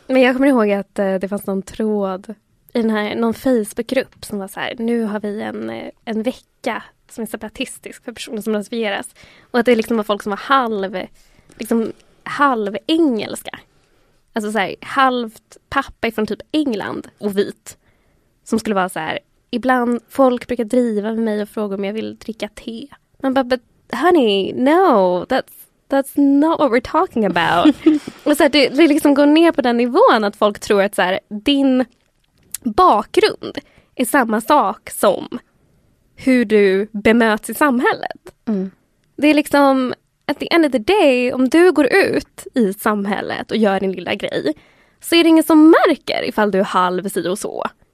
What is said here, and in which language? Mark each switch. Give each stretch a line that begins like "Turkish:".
Swedish: Men jag kommer ihåg att det fanns någon tråd i den här, någon Facebookgrupp som var så här, nu har vi en vecka som är separatistisk för personer som rasifieras. Och att det liksom var folk som var halv engelska. Alltså så här, halvt pappa från typ England och vit. Som skulle vara så här, ibland folk brukar driva med mig och fråga om jag vill dricka te. Man bara,
English: but honey, no, that's not what we're talking about.
Swedish: Och så här, det liksom går ner på den nivån att folk tror att så här, din bakgrund är samma sak som hur du bemöts i samhället. Mm. Det är liksom,
English: at the end of the day,
Swedish: om du går ut i samhället och gör din lilla grej, så är det ingen som märker ifall du är halv si och så.